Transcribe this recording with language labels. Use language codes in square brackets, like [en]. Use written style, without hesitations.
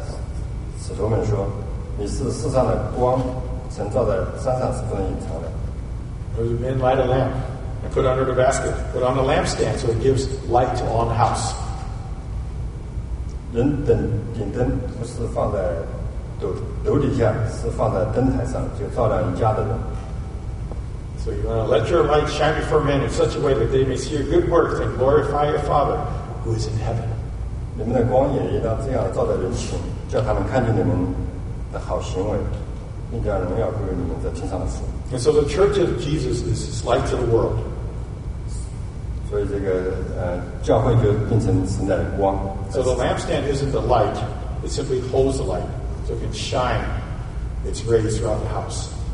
[zh] 他告诉他的使徒们说, 你是世上的光,神照在山上是不能隐藏的。 [en] There's a man light a lamp and put under the basket, put on the lampstand so it gives light to all the house. [zh] 人等顶灯不是放在 楼底下是放在灯台上，就照亮一家的人。 [en] So you want to let your light shine before men in such a way that they may see your good works and glorify your Father who is in heaven. [zh] 你们的光也应当这样照在人群，叫他们看见你们的好行为，并且荣耀归于你们在天上的父。 [en] And so the church of Jesus is light to the world. [zh] 所以这个教会就变成神的光。 [en] So the lampstand isn't the light, it simply holds the light. So it can shine its rays throughout the house.